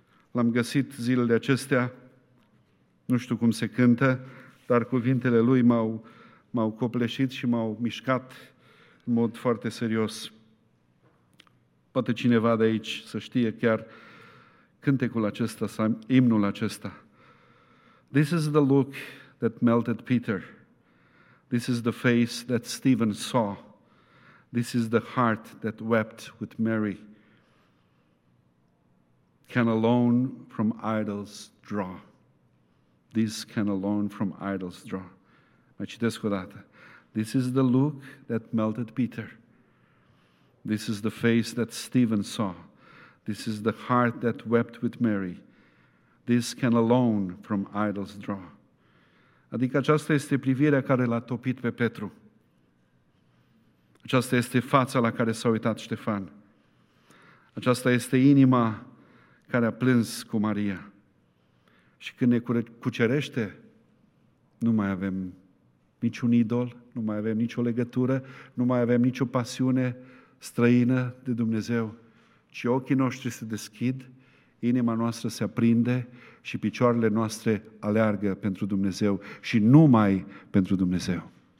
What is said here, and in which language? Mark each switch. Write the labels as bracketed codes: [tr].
[ro] L-am găsit zilele acestea, nu știu cum se cântă, dar cuvintele Lui m-au copleșit și m-au mișcat în mod foarte serios. Poate cineva de aici să știe chiar cântecul acesta, sau imnul acesta. [en] This is the look that melted Peter. This is the face that Stephen saw. This is the heart that wept with Mary. Can alone from idols draw. This can alone from idols draw. [ro] Mai citesc o dată. [en] This is the look that melted Peter. This is the face that Stephen saw. This is the heart that wept with Mary. This can alone from idols draw. [ro] Adică aceasta este privirea care l-a topit pe Petru. Aceasta este fața la care s-a uitat Ștefan. Aceasta este inima care a plâns cu Maria. Și când ne cucerește, nu mai avem niciun idol, nu mai avem nicio legătură, nu mai avem nicio pasiune străină de Dumnezeu, ci ochii noștri se deschid, inima noastră se aprinde și picioarele noastre aleargă pentru Dumnezeu și numai pentru Dumnezeu.